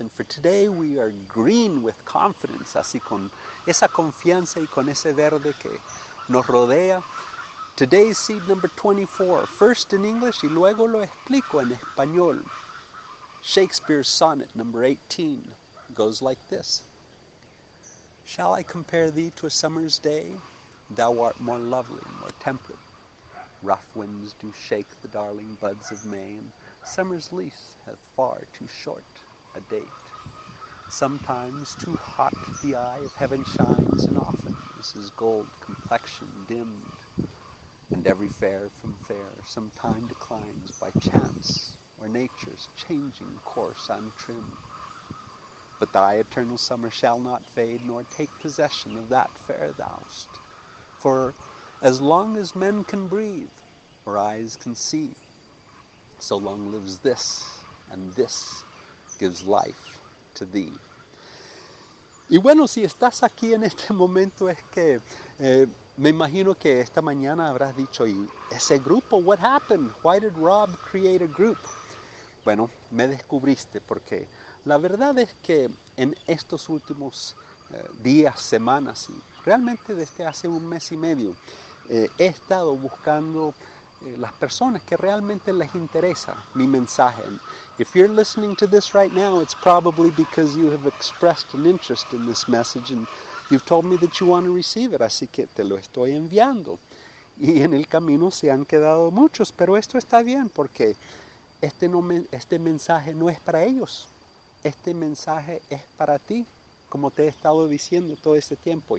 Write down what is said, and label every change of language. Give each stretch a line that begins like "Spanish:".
English: And for today, we are green with confidence.
Spanish: Así con esa confianza y con ese verde que nos rodea.
English: Today's seed number 24. First in English
Spanish: y luego lo explico en español.
English: Shakespeare's sonnet number 18 goes like this. Shall I compare thee to a summer's day? Thou art more lovely, more temperate. Rough winds do shake the darling buds of May, and summer's lease hath far too short a date. Sometimes too hot the eye of heaven shines, and often this is gold complexion dimmed. And every fair from fair some time declines by chance, or nature's changing course untrimmed. But thy eternal summer shall not fade, nor take possession of that fair thou'st. For as long as men can breathe, or eyes can see, so long lives this, and this gives life to thee.
Spanish: Y bueno, si estás aquí en este momento, es que me imagino que esta mañana habrás dicho, ¿y ese grupo?
English: What happened? Why did Rob create a group?
Spanish: Bueno, me descubriste, porque la verdad es que en estos últimos días, semanas, y realmente desde hace un mes y medio, he estado buscando las personas que realmente les interesa mi mensaje.
English: If you're listening to this right now, it's probably because you have expressed an interest in this message and you've told me that you want to receive it,
Spanish: así que te lo estoy enviando. Y en el camino se han quedado muchos, pero esto está bien porque este mensaje no es para ellos, este mensaje es para ti. Como te he estado diciendo todo este tiempo.